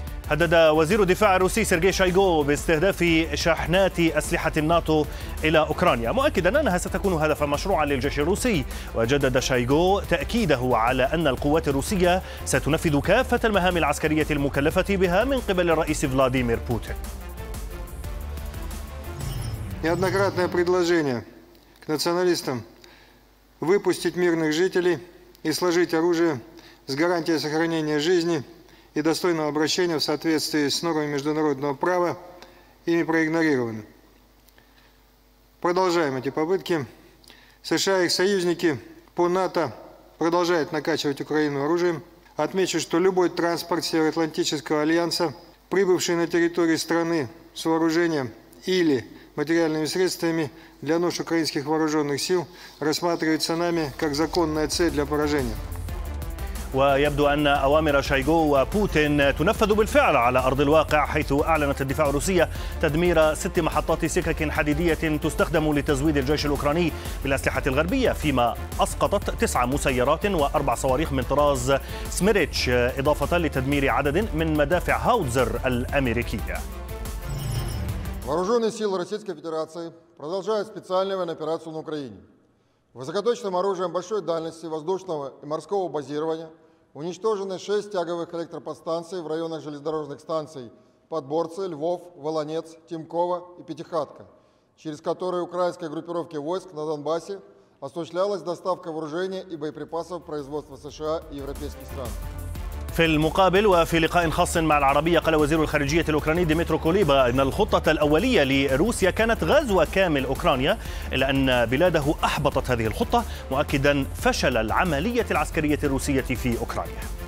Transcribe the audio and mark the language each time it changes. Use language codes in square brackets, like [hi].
[ar] هدد وزير الدفاع الروسي سيرجي شايغو باستهداف شاحنات أسلحة الناتو إلى أوكرانيا، مؤكدا أنها ستكون هدفا مشروعا للجيش الروسي. وجدد شايغو تأكيده على أن القوات الروسية ستنفذ كافة المهام العسكرية المكلفة بها من قبل الرئيس فلاديمير بوتين. [ru] неоднократное предложение к националистам выпустить мирных жителей и сложить оружие с гарантией сохранения жизни и достойного обращения в соответствии с нормами международного права ими проигнорированы. Продолжаем эти попытки. США и их союзники по НАТО продолжают накачивать Украину оружием. Отмечу, что любой транспорт Североатлантического альянса, прибывший на территорию страны с вооружением или материальными средствами для нужд украинских вооруженных сил, рассматривается нами как законная цель для поражения. [ar] ويبدو أن أوامر شايغو وبوتين تنفذ بالفعل على أرض الواقع، حيث أعلنت الدفاع الروسية تدمير 6 محطات سكك حديدية تستخدم لتزويد الجيش الأوكراني بالأسلحة الغربية، فيما أسقطت 9 مسيرات و4 صواريخ من طراز سميريتش، إضافة لتدمير عدد من مدافع هاوتزر الأمريكية. [ru] вооруженные силы Российской Федерации продолжают специальную военную операцию на Украине. Высокоточным оружием большой дальности воздушного и морского базирования уничтожены 6 тяговых электроподстанций в районах железнодорожных станций Подборцы, Львов, Волонец, Тимково и Пятихатка, через которые украинской группировке войск на Донбассе осуществлялась доставка вооружения и боеприпасов производства США и европейских стран. [ar] في المقابل وفي لقاء خاص مع العربية، قال وزير الخارجية الأوكراني ديمترو كوليبا أن الخطة الأولية لروسيا كانت غزو كامل أوكرانيا، إلا أن بلاده أحبطت هذه الخطة، مؤكدا فشل العملية العسكرية الروسية في أوكرانيا.